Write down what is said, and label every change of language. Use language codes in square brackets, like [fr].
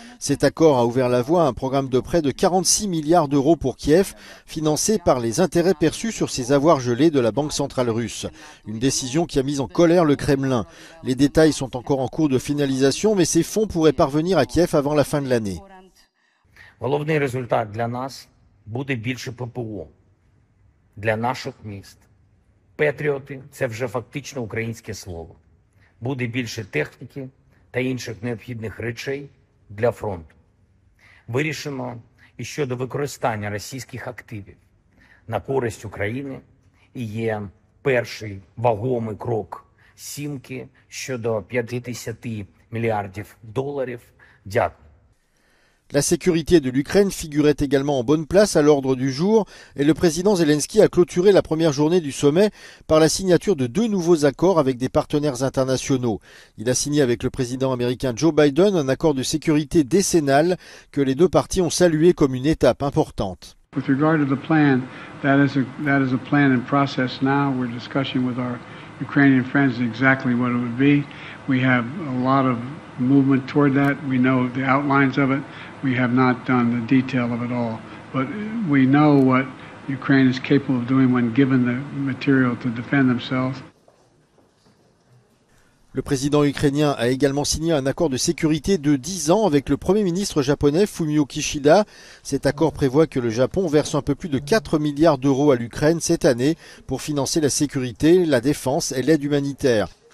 [fr] Cet accord a ouvert la voie à un programme de prêt de 46 milliards d'euros pour Kiev, financé par les intérêts perçus sur ces avoirs gelés de la Banque centrale russe. Une décision qui a mis en colère le Kremlin. Les détails sont encore en cours de finalisation, mais ces fonds pourraient parvenir à Kiev avant la fin de l'année. [uk] Головний результат для нас буде більше ППО для наших міст. Патріоти – це вже фактично українське слово. Буде більше техніки та інших необхідних речей для фронту. Вирішено і щодо використання російських активів на користь України і є перший вагомий крок сімки щодо 50 мільярдів доларів. Дякую. [fr] La sécurité de l'Ukraine figurait également en bonne place à l'ordre du jour et le président Zelensky a clôturé la première journée du sommet par la signature de 2 nouveaux accords avec des partenaires internationaux. Il a signé avec le président américain Joe Biden un accord de sécurité décennal que les deux parties ont salué comme une étape importante. [en] With regard to the plan, that is a plan in process now. We're discussing with our Ukrainian friends exactly what it would be. We have a lot of movement toward that. We know the outlines of it. We have not done the detail of it all, but we know what Ukraine is capable of doing when given the material to defend themselves. [fr] Le président ukrainien a également signé un accord de sécurité de 10 ans avec le premier ministre japonais Fumio Kishida. Cet accord prévoit que le Japon verse un peu plus de 4 milliards d'euros à l'Ukraine cette année pour financer la sécurité, la défense et l'aide humanitaire.